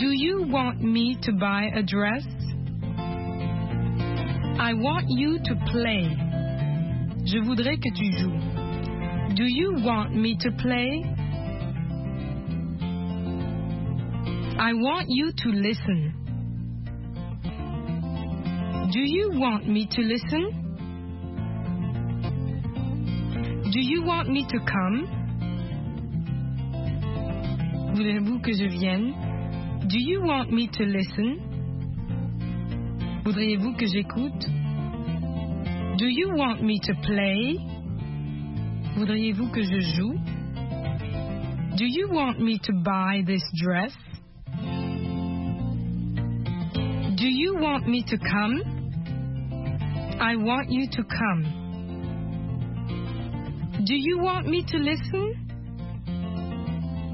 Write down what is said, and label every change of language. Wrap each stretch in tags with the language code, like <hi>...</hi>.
<en>Do you want me to buy a dress? I want you to play.</en> <fr>Je voudrais que tu joues.</fr> <en>Do you want me to play? I want you to listen. Do you want me to listen? Do you want me to come?</en> <fr>Voulez-vous que je vienne?</fr> <en>Do you want me to listen?</en> <fr>Voudriez-vous que j'écoute?</fr> <en>Do you want me to play?</en> <fr>Voudriez-vous que je joue?</fr> <en>Do you want me to buy this dress? Do you want me to come? I want you to come. Do you want me to listen?</en>